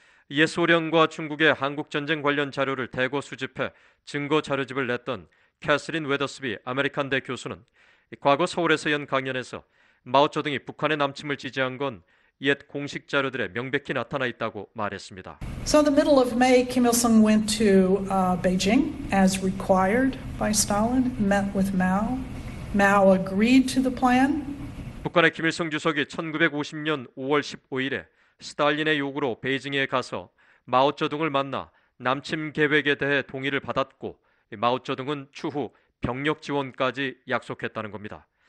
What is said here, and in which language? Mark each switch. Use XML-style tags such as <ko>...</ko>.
<ko>옛 소련과 중국의 한국 전쟁 관련 자료를 대거 수집해 증거 자료집을 냈던 캐슬린 웨더스비 아메리칸대 교수는 과거 서울에서 연 강연에서 마오쩌둥이 북한의 남침을 지지한 건 옛 공식 자료들에 명백히 나타나 있다고 말했습니다.</ko> <en>So in the middle of May, Kim Il-sung went to Beijing as required by Stalin, met with Mao. Mao agreed to the plan.</en> <ko>북한의 김일성 주석이 1950년 5월 15일에 스탈린의 요구로 베이징에 가서 마오쩌둥을 만나 남침 계획에 대해 동의를 받았고 마오쩌둥은 추후 병력 지원까지 약속했다는 겁니다.</ko>